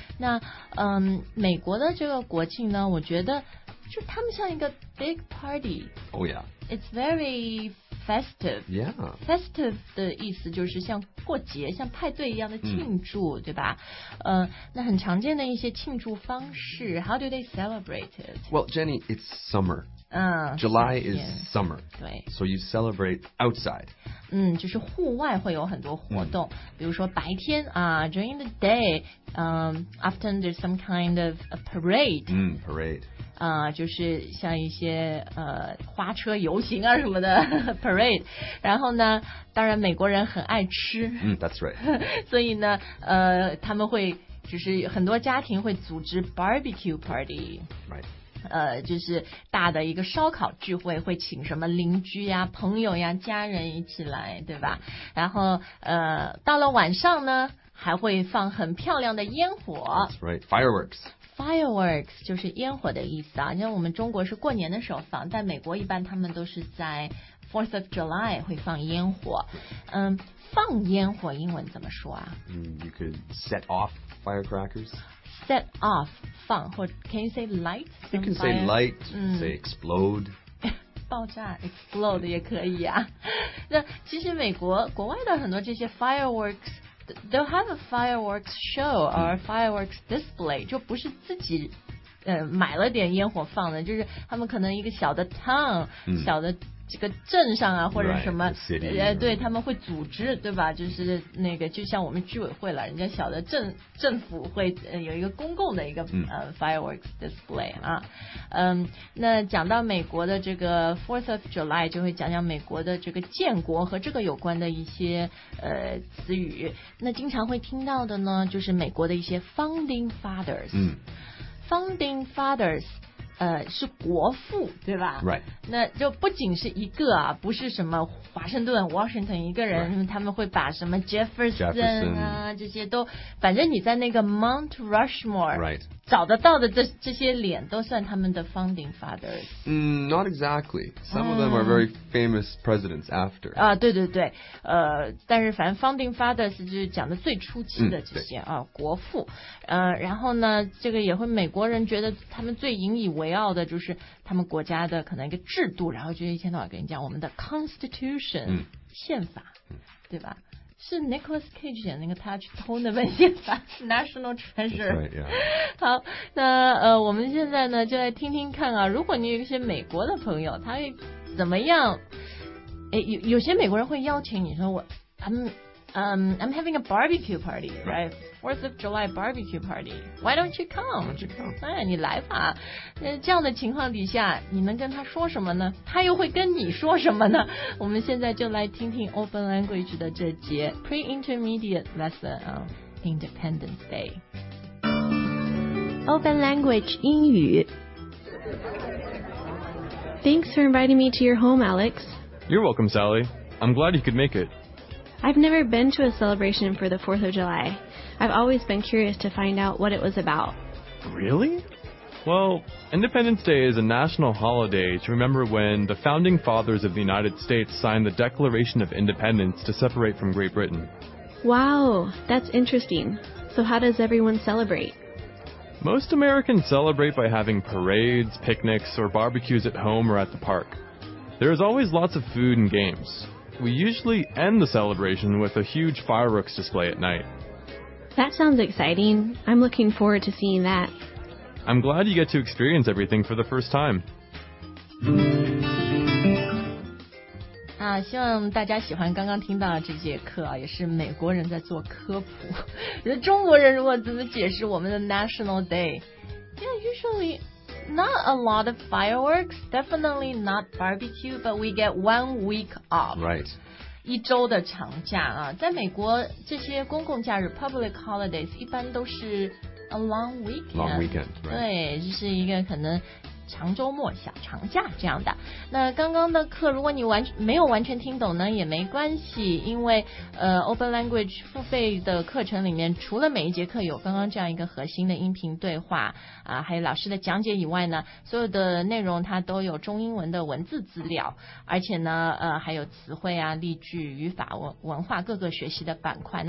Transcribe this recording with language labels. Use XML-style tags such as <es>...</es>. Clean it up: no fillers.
<zh>那美国的这个国庆呢，我觉得就他们像一个</zh> <en>big party. Oh yeah. It's very festive. Yeah.</en> <zh>Festive 的意思就是像过节，像派对一样的庆祝，对吧？那很常见的一些庆祝方式，</zh> <en>how do they celebrate it? Well, Jenny, it's summer. July is summer. So you celebrate outside.</en> <zh>就是户外会有很多活动，比如说白天啊，</zh> <en>during the day,</en> <zh>often there's some kind of a parade.</zh> <en>Parade.</en> <zh>就是像一些花车游行啊什么的parade。然后呢，当然美国人很爱吃。</zh> <en>That's right.</en> <zh>所以呢，他们会就是很多家庭会组织 barbecue party。</zh> <en>Right.</en> <zh>就是大的一个烧烤聚会，会请什么邻居呀、朋友呀、家人一起来，对吧？然后到了晚上呢，还会放很漂亮的烟火。</zh> <en>That's right. Fireworks.</en> <zh>Fireworks 就是烟火的意思啊，因为我们中国是过年的时候放，但美国一般他们都是在 Fourth of July 会放烟火。放烟火英文怎么说啊？</zh> <en>You could set off firecrackers. Set off</en> <zh>放，或</zh> <en>Can you say light? You can say light. Say explode.</en> <zh>爆炸 explode 也可以啊。那其实美国国外的很多这些 fireworks。</zh> <en>They'll have a fireworks show or fireworks display.</en> <zh>就不是自己买了点烟火放的，就是他们可能一个小的 town， 小的这个镇上啊，或者什么</zh> <en>city，</en> <zh>对，他们会组织，对吧？就是那个就像我们居委会了，人家小的政府会有一个公共的一个fireworks display 啊。那讲到美国的这个 Fourth of July， 就会讲讲美国的这个建国和这个有关的一些词语。那经常会听到的呢，就是美国的一些 founding fathers。 Founding fathers。 是国父，对吧？</zh> <en>Right.</en> <zh>那就不仅是一个啊，不是什么华盛顿 Washington 一个人，</zh> <en>right.</en> <zh>他们会把什么</zh> <en>Jefferson</en> <zh>啊这些都，反正你在那个 Mount Rushmore、</zh> <en>right.</en> <zh>找得到的这些脸都算他们的 founding fathers。</zh> <en>Not exactly. Some of them are very famous presidents after.</en> <zh>啊，对对对，但是反正 founding fathers 就是讲的最初期的这些啊，国父。然后呢，这个也会美国人觉得他们最引以为傲的就是他们国家的可能一个制度，然后就一天到晚跟你讲我们的 Constitution 宪法，对吧？是 Nicholas Cage 演那个他去偷那本宪法 National Treasure。</zh> <en>Right,</en> <zh>yeah. 好，那我们现在呢就来听听看啊，如果你有一些美国的朋友，他会怎么样？有些美国人会邀请你说我</zh> <en>I'm having a barbecue party, right? Fourth of July barbecue party. Why don't you come? Why don't you come?</en> <zh>哎，你来吧。这样的情况底下，你能跟他说什么呢？他又会跟你说什么呢？我们现在就来听听 Open Language 的这节 Pre-Intermediate Lesson on Independence Day. Open Language 英语。</zh> <en>Thanks for inviting me to your home, Alex. You're welcome, Sally. I'm glad you could make it. I've never been to a celebration for the 4th of July. I've always been curious to find out what it was about. Really? Well, Independence Day is a national holiday to remember when the founding fathers of the United States signed the Declaration of Independence to separate from Great Britain. Wow, that's interesting. So how does everyone celebrate? Most Americans celebrate by having parades, picnics, or barbecues at home or at the park. There is always lots of food and games. we usually end the celebration with a huge fireworks display at night. That sounds exciting. I'm looking forward to seeing that. I'm glad you get to experience everything for the first time.</en> <zh>啊，希望大家喜欢刚刚听到的这节课啊，也是美国人在做科普。中国人如果怎么解释我们的 National Day？</zh> <en>Yeah, usually not a lot of fireworks. Definitely not barbecue, but we get 1 week off. Right.</en> <zh>一周的长假啊，在美国这些公共假日 public holidays 一般都是</zh> <en>a long weekend, long weekend、right.</en> <zh>对，就是一个可能长周末小长假这样的。那刚刚的课如果你没有完全听懂呢也没关系，因为Open Language 付费的课程里面除了每一节课有刚刚这样一个核心的音频对话啊，还有老师的讲解以外呢，所有的内容它都有中英文的文字资料，而且呢还有词汇啊、例句、语法、文化各个学习的板块。</zh>